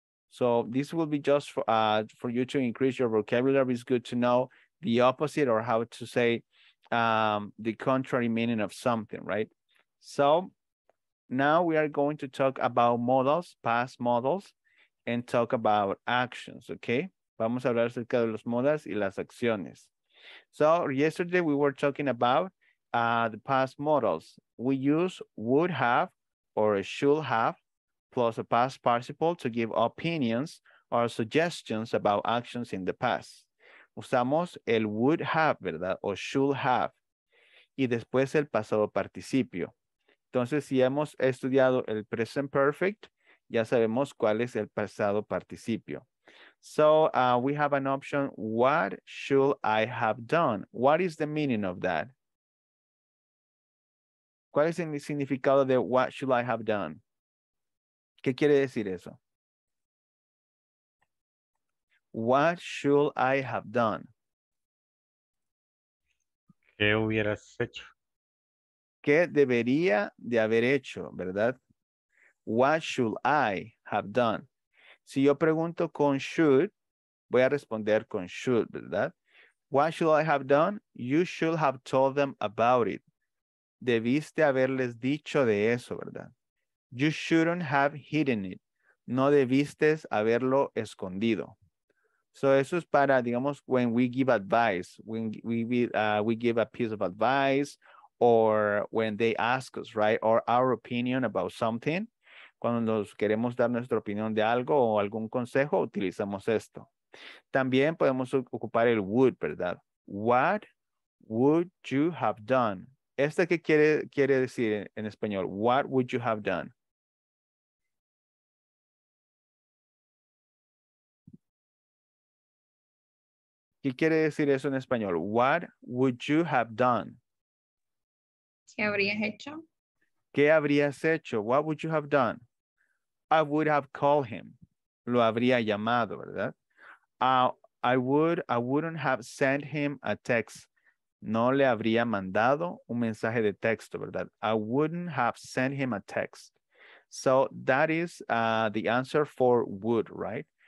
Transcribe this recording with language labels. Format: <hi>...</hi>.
<en>So this will be just for you to increase your vocabulary. It's good to know the opposite or how to say the contrary meaning of something, right? So now we are going to talk about modals, past modals, and talk about actions, okay?</en> <es>Vamos a hablar acerca de los modas y las acciones.</es> <en>So yesterday we were talking about the past modals. We use would have or should have plus a past participle to give opinions or suggestions about actions in the past.</en> <es>Usamos el would have, ¿verdad? O should have. Y después el pasado participio. Entonces, si hemos estudiado el present perfect, ya sabemos cuál es el pasado participio.</es> <en>So we have an option, what should I have done? What is the meaning of that?</en> <es>¿Cuál es el significado de</es> <en>what should I have done?</en> <es>¿Qué quiere decir eso?</es> <en>What should I have done?</en> <es>¿Qué hubieras hecho? ¿Qué debería de haber hecho, verdad?</es> <en>What should I have done?</en> <es>Si yo pregunto con should, voy a responder con should, ¿verdad?</es> <en>What should I have done? You should have told them about it.</en> <es>Debiste haberles dicho de eso, ¿verdad?</es> <en>You shouldn't have hidden it.</en> <es>No debiste haberlo escondido.</es> <en>So</en> <es>eso es para, digamos,</es> <en>when we give advice, when we give a piece of advice, or when they ask us, right, or our opinion about something.</en> <es>Cuando nos queremos dar nuestra opinión de algo o algún consejo, utilizamos esto. También podemos ocupar el would, ¿verdad?</es> <en>What would you have done?</en> <es>¿Este qué quiere decir en español?</es> <en>What would you have done?</en> <es>¿Qué quiere decir eso en español?</es> <en>What would you have done?</en> <es>¿Qué habrías hecho? ¿Qué habrías hecho?</es> <en>What would you have done? I would have called him.</en> <es>Lo habría llamado, ¿verdad?</es> <en>I wouldn't have sent him a text.</en> <es>No le habría mandado un mensaje de texto, ¿verdad?</es> <en>I wouldn't have sent him a text. So that is the answer for would, right?</en>